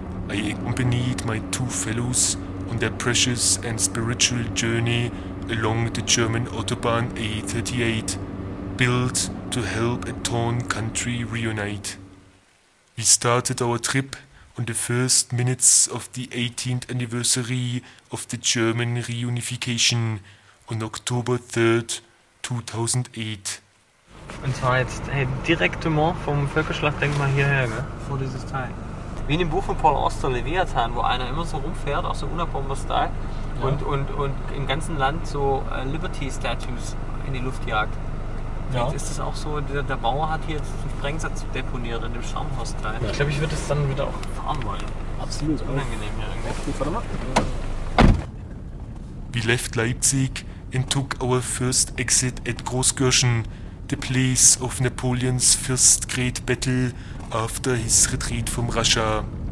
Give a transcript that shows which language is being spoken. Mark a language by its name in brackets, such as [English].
[English] I accompanied my two fellows on their precious and spiritual journey along the German Autobahn A38, built to help a torn country reunite. We started our trip on the first minutes of the 18th anniversary of the German reunification on October 3rd, 2008. [German] Und zwar jetzt direktement vom Völkerschlachtdenkmal hierher, gell? Vor dieses Teil. Wie in dem Buch von Paul Auster, Leviathan, wo einer immer so rumfährt, auch so Unabomber-Style, und im ganzen Land so Liberty-Statues in die Luft jagt. Ja. Jetzt ist das auch so, der Bauer hat hier jetzt einen Sprengsatz deponiert in dem Schaumhaus-Style. Ja. Ich glaube, ich würde das dann wieder auch fahren wollen. Absolut. Unangenehm hier irgendwie. Warte mal. [English] We left Leipzig and took our first exit at Großgürschen, the place of Napoleon's first great battle after his retreat from Russia.